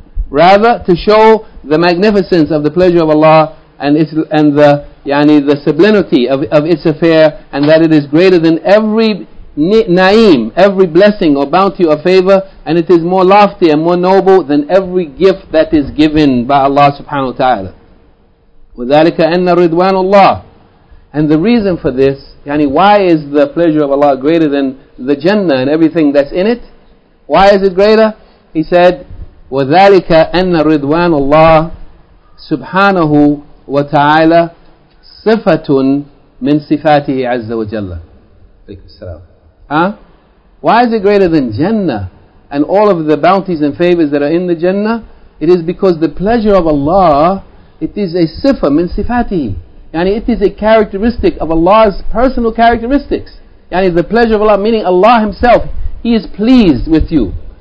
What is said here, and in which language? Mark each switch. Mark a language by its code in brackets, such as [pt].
[en] Rather, to show the magnificence of the pleasure of Allah and its, and the yani the sublimity of its affair, and that it is greater than every na'im, every blessing or bounty or favor, and it is more lofty and more noble than every gift that is given by Allah subhanahu wa ta'ala. [ar] وَذَلِكَ أَنَّ رِضْوَانُ اللَّهِ, [en] and the reason for this, yani why is the pleasure of Allah greater than the Jannah and everything that's in it? Why is it greater? He said, [ar] وَذَلِكَ أَنَّ رِضْوَانُ اللَّهِ سُبْحَانَهُ وَتَعَالَى صِفَةٌ مِنْ صِفَاتِهِ عَزَّ وَجَلَّ. عليكم السلام. Huh? [en] Why is it greater than Jannah and all of the bounties and favors that are in the Jannah? It is because the pleasure of Allah, it is a [ar] sifa min sifatihi. [en] Yani it is a characteristic of Allah's personal characteristics. Yani the pleasure of Allah, meaning Allah Himself, He is pleased with you.